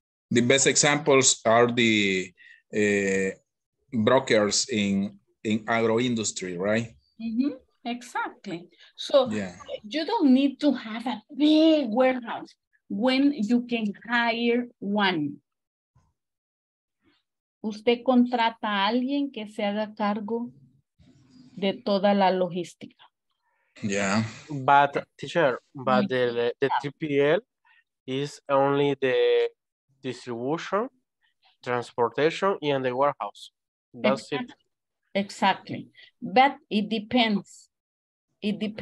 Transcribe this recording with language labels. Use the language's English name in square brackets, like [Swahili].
[English] The best examples are the brokers in agro industry, right? Mm-hmm. Exactly. So you don't need to have a big warehouse when you can hire one. [Spanish] Usted contrata a alguien que se haga cargo de toda la logística. [English] Yeah. But teacher, but the TPL is only the distribution, transportation, and the warehouse. That's exactly. Exactly. But it depends. It depends.